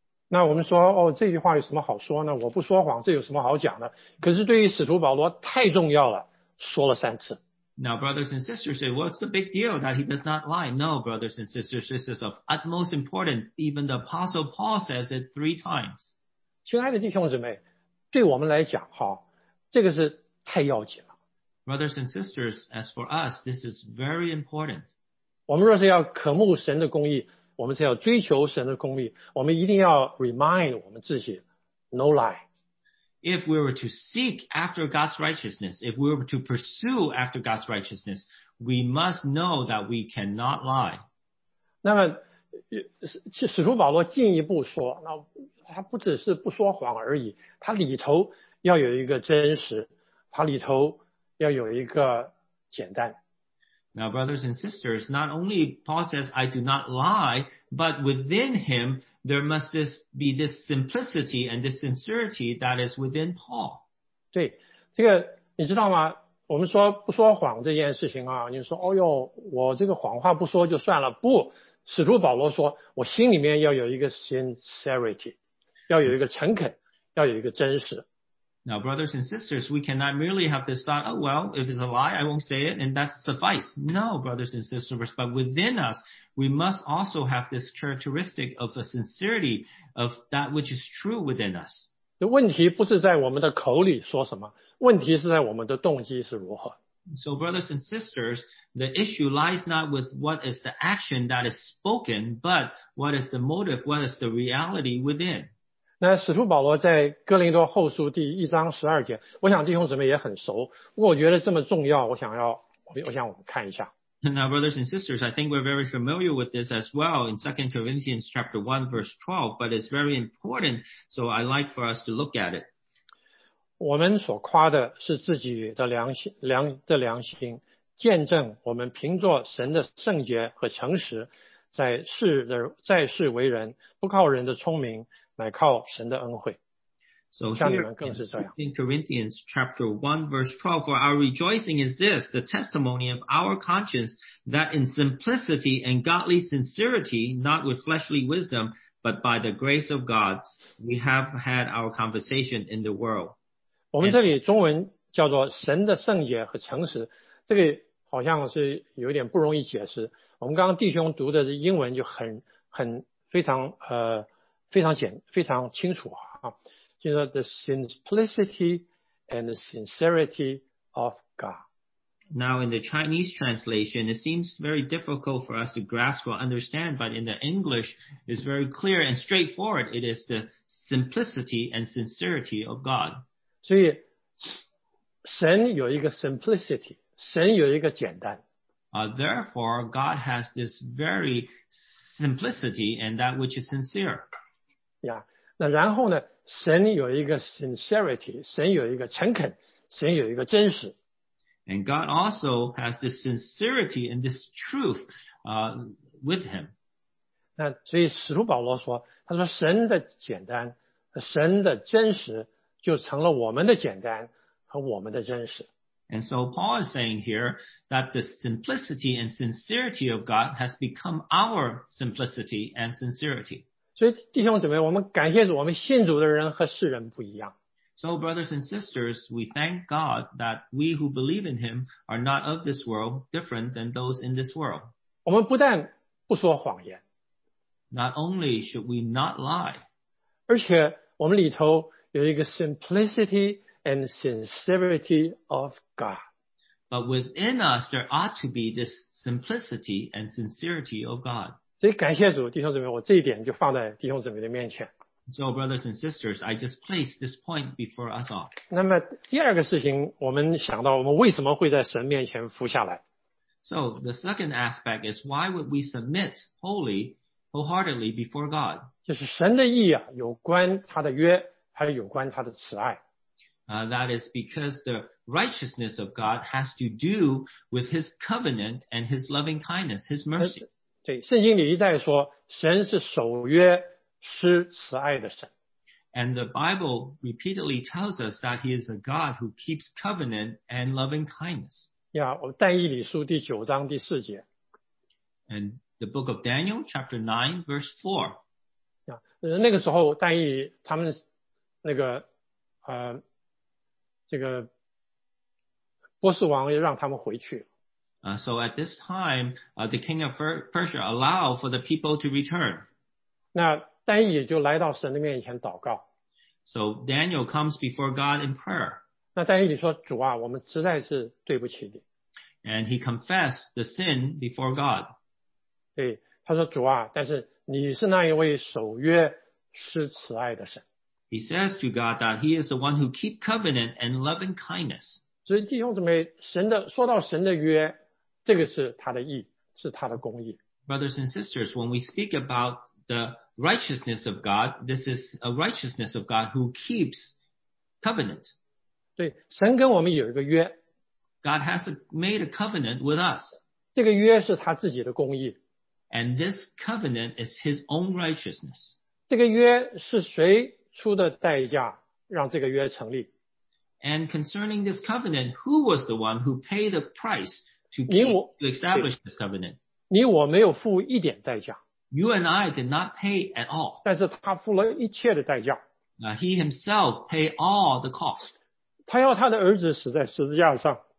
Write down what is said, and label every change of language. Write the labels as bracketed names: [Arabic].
[Chinese] 那我们说哦，这句话有什么好说呢？我不说谎，这有什么好讲的？可是对于使徒保罗太重要了，说了三次。 [English] Now, brothers and sisters say, what's the big deal that he does not lie? No, brothers and sisters, this is of utmost importance. Even the Apostle Paul says it three times. [Chinese] 亲爱的弟兄姊妹，对我们来讲，哈，这个是太要紧了。 [English] Brothers and sisters, as for us, this is very important. [Chinese] 我们若是要渴慕神的公义，我们是要追求神的公义，我们一定要 [English] remind [Chinese] 我们自己 [English] no lie. If we were to seek after God's righteousness, if we were to pursue after God's righteousness, we must know that we cannot lie. [Chinese] 那么使徒保罗进一步说，那他不只是不说谎而已，他里头要有一个真实，他里头要有一个简单。 [English] Now, brothers and sisters, not only Paul says, I do not lie, but within him, there must this be this simplicity and this sincerity that is within Paul. [Chinese] 对，这个你知道吗？我们说不说谎这件事情啊，你说，哦哟，我这个谎话不说就算了。不，使徒保罗说，我心里面要有一个 [English] sincerity, [Chinese] 要有一个诚恳，要有一个真实。 [English] Now, brothers and sisters, we cannot merely have this thought, oh, well, if it's a lie, I won't say it, and that's suffice. No, brothers and sisters, but within us, we must also have this characteristic of the sincerity of that which is true within us. [Chinese] 问题不是在我们的口里说什么，问题是在我们的动机是如何。 [English] So, brothers and sisters, the issue lies not with what is the action that is spoken, but what is the motive, what is the reality within. [Chinese] 那使徒保罗在哥林多后书第一章十二节，我想弟兄姊妹也很熟，不过我觉得这么重要，我想我们看一下。 [English] Now, brothers and sisters, I think we're very familiar with this as well in 2 Corinthians chapter 1, verse 12, but it's very important, so I'd like for us to look at it. [Chinese] 我们所夸的是自己的良心，见证我们凭着神的圣洁和诚实，在世为人，不靠人的聪明。乃靠神的恩惠。 [English] So here in Corinthians chapter 1 verse 12, for our rejoicing is this, the testimony of our conscience, that in simplicity and godly sincerity, not with fleshly wisdom, but by the grace of God, we have had our conversation in the world. [Chinese] 我们这里中文叫做神的圣洁和诚实，这个好像是有点不容易解释。我们刚刚弟兄读的英文就很非常非常简，非常清楚啊，就是 [English] the simplicity and the sincerity of God. Now in the Chinese translation, it seems very difficult for us to grasp or understand, but in the English, it's very clear and straightforward. It is the simplicity and sincerity of God. [Chinese] 所以神有一个 [English] simplicity, [Chinese] 神有一个简单。 [English] Therefore, God has this very simplicity and that which is sincere. Yeah. [Chinese] 那然后呢，神有一个 [English] sincerity, [Chinese] 神有一个诚恳，神有一个真实。 [English] And God also has this sincerity and this truth, with him. [Chinese] 那所以使徒保罗说，他说神的简单，神的真实就成了我们的简单和我们的真实。 [English] And so Paul is saying here that the simplicity and sincerity of God has become our simplicity and sincerity. [Chinese] 所以弟兄姊妹，我们感谢主，我们信主的人和世人不一样。 [English] So brothers and sisters, we thank God that we who believe in Him are not of this world, different than those in this world. [Chinese] 我们不但不说谎言。 [English] Not only should we not lie. [Chinese] 而且我们里头有一个 [English] simplicity and sincerity of God. But within us, there ought to be this simplicity and sincerity of God. [Chinese] 所以感谢主，弟兄姊妹，我这一点就放在弟兄姊妹的面前。 [English] So brothers and sisters, I just place this point before us all. [Chinese] 那么第二个事情，我们想到我们为什么会在神面前服下来。 [English] So the second aspect is why would we submit wholeheartedly before God? [Chinese] 就是神的义啊，有关他的约，还有关他的慈爱。 [English] That is because the righteousness of God has to do with His covenant and His loving kindness, His mercy. [Chinese] 对，圣经里一再说，神是守约施慈爱的神。 [English] And the Bible repeatedly tells us that He is a God who keeps covenant and loving kindness. Yeah, [Chinese] 我但以理书第九章第四节。 [English] And the book of Daniel, chapter 9, verse 4. Yeah, [Chinese] 那个时候但以他们那个这个波斯王也让他们回去。 [English] So at this time, the king of Persia allowed for the people to return. [Chinese] 那丹以就来到神的面前祷告。 [English] So Daniel comes before God in prayer. [Chinese] 那丹以说，主啊，我们实在是对不起你。 [English] And he confessed the sin before God. [Chinese] 对，他说，主啊，但是你是那一位守约施慈爱的神。 [English] He says to God that he is the one who keeps covenant and loving kindness. [Chinese] 所以弟兄姊妹，神的说到神的约，这个是他的义，是他的公义。 [English] Brothers and sisters, when we speak about the righteousness of God, this is a righteousness of God who keeps covenant. [Chinese] 对，神跟我们有一个约。 [English] God has made a covenant with us. [Chinese] 这个约是他自己的公义。 [English] And this covenant is his own righteousness. [Chinese] 这个约是谁出的代价让这个约成立。 [English] And concerning this covenant, who was the one who paid the price to, keep, to establish this covenant? [Chinese] 你我没有付一点代价。 [English] You and I did not pay at all. [Chinese] 但是他付了一切的代价。 [English] He himself paid all the cost. [Chinese] 他要他的儿子死在十字架上。